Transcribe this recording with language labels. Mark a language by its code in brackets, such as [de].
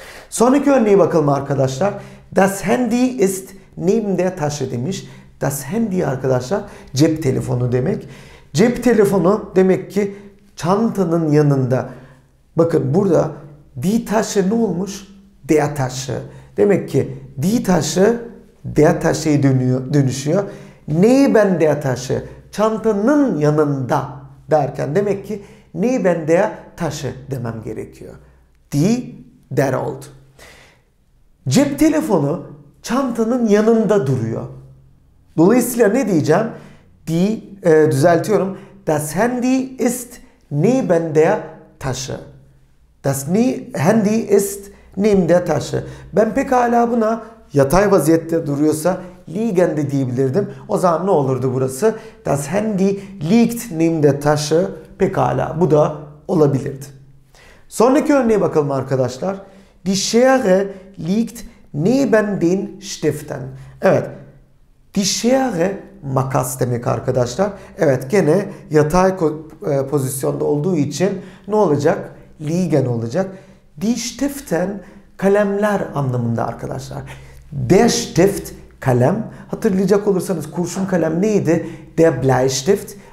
[tr] Sonraki örneğe bakalım arkadaşlar. [de] Das Handy ist neben der Tasche [tr] demiş. [de] Das Handy [tr] arkadaşlar cep telefonu demek. Cep telefonu demek ki çantanın yanında. Bakın burada [de] die Tasche [tr] ne olmuş? [de] Der Tasche. [tr] Demek ki [de] die Tasche der Tasche'ye [tr] dönüşüyor. [de] Neben der Tasche [tr] çantanın yanında derken demek ki [de] neben der Tasche [tr] demem gerekiyor. [de] Die der [tr] oldu. Cep telefonu çantanın yanında duruyor. Dolayısıyla ne diyeceğim? Düzeltiyorum. [de] Das Handy ist neben der Tasche. Das Handy ist neben der Tasche. [tr] Ben pekala buna yatay vaziyette duruyorsa liegen de diyebilirdim. O zaman ne olurdu burası? [de] Das Handy liegt neben der Tasche. [tr] Pekala bu da olabilirdi. Sonraki örneğe bakalım arkadaşlar. [de] Die Schere liegt neben den Stiften. [tr] Evet. [de] Die Schere [tr] makas demek arkadaşlar. Evet gene yatay pozisyonda olduğu için ne olacak? Liegen olacak. [de] Die Stiften [tr] kalemler anlamında arkadaşlar. [de] Der Stift [tr] kalem. Hatırlayacak olursanız kurşun kalem neydi? [de] Der Bleistift.